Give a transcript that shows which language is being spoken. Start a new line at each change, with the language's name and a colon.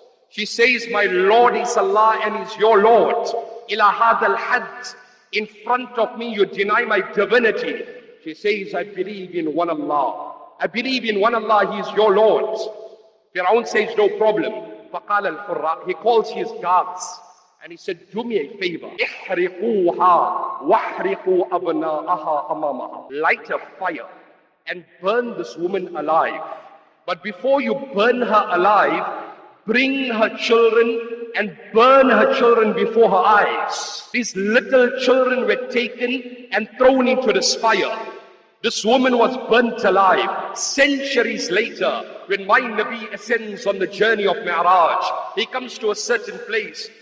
English: She says, my Lord is Allah and is your Lord.
Arabic: Ila hadha al-had,
English: in front of me you deny my divinity. She says, I believe in one Allah. I believe in one Allah, he is your Lord. Fir'aun says, no problem.
Arabic: فقال الحراء,
English: he calls his guards. And he said, do me a favor.
Arabic: احرقوها واحرقوا أبناءها أمامها.
English: Light a fire and burn this woman alive. But before you burn her alive, bring her children and burn her children before her eyes. These little children were taken and thrown into this fire. This woman was burnt alive. Centuries later, when my Nabi ascends on the journey of Mi'raj, he comes to a certain place.